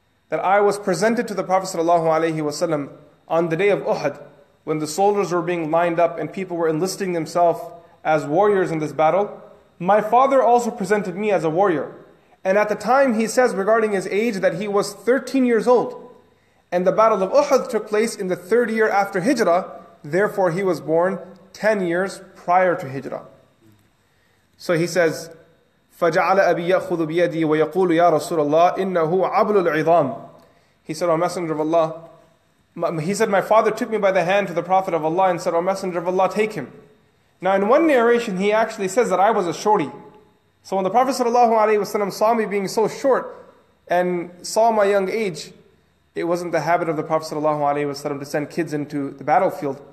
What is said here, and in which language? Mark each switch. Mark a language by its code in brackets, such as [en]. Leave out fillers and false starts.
[en] That I was presented to the Prophet sallallahu alaihi wasallam on the day of Uhud, when the soldiers were being lined up and people were enlisting themselves as warriors in this battle. My father also presented me as a warrior. And at the time he says regarding his age that he was 13 years old. And the battle of Uhud took place in the third year after Hijrah. Therefore he was born 10 years prior to Hijrah. So he says, [ar] فَجَعَلَ أَبِي يَأْخُذُ بِيَدِي وَيَقُولُ يَا رَسُولَ اللَّهِ إِنَّهُ عَبْلُ الْعِظَامِ. [en] He said, O Messenger of Allah, he said, my father took me by the hand to the Prophet of Allah and said, O Messenger of Allah, take him. Now in one narration, he actually says that I was a shorty. So when the Prophet sallallahu alaihi wasallam saw me being so short and saw my young age, it wasn't the habit of the Prophet sallallahu alaihi wasallam to send kids into the battlefield.